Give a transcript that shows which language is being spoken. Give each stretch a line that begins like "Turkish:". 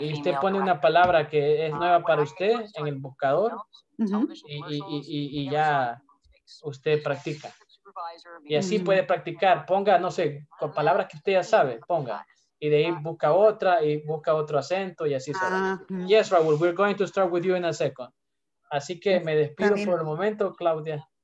Spanish: Y usted pone una palabra que es nueva para usted en el buscador y ya usted practica. Y así puede practicar. Ponga, no sé, con palabras que usted ya sabe, ponga. Y de ahí busca otra y busca otro acento y así se va.
English: Yes, Raúl, we're going to start with you in a second.
Spanish: Así que me despido también por el momento, Claudia.